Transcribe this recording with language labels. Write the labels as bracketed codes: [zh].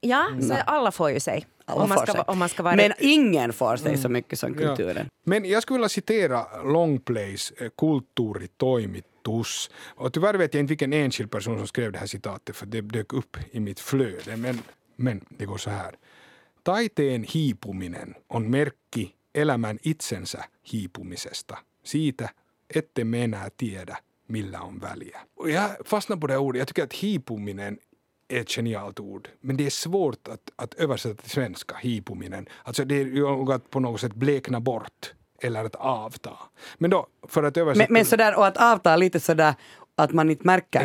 [sv] Ja, så alla får ju sig. Om man ska, vara men ingen får sig så mycket som kulturen. Ja. Men jag skulle vilja citera Longplays kulturtoimit. Och tyvärr vet jag inte vilken enskild person som skrev det här citatet, för det dök upp i mitt flöde. Men det går så här. [fi] Taiteen hiipuminen on merkki elämän itsensä hiipumisesta. Siitä ette me enää tiedä, millä on väliä. [sv] Jag fastnar på det ordet. Jag tycker att hiipuminen är ett genialt ord. Men det är svårt att översätta till svenska, hiipuminen. Alltså det är att på något sätt blekna bort. Eller att avta. Men då, för att översätta... Men sådär, och att avta lite sådär att man inte märker det.